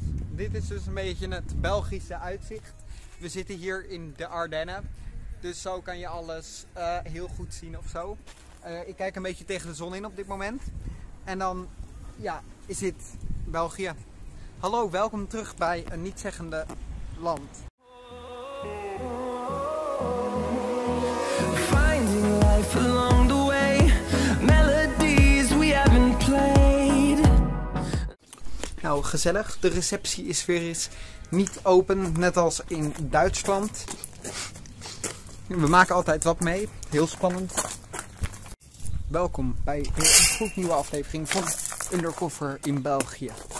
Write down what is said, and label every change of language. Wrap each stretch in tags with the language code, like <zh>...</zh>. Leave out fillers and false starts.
<nl>Dit is dus een beetje het Belgische uitzicht. We zitten hier in de Ardennen. Dus zo kan je alles heel goed zien of zo. Ik kijk een beetje tegen de zon in op dit moment. En dan, ja, is dit België. Hallo, welkom terug bij een nietzeggende land.</nl> <en>Finding life along the way, melodies we haven't played.</en> <nl>Nou, gezellig. De receptie is weer eens niet open, net als in Duitsland. We maken altijd wat mee. Heel spannend. Welkom bij weer een goed nieuwe aflevering van Undercover in België.</nl>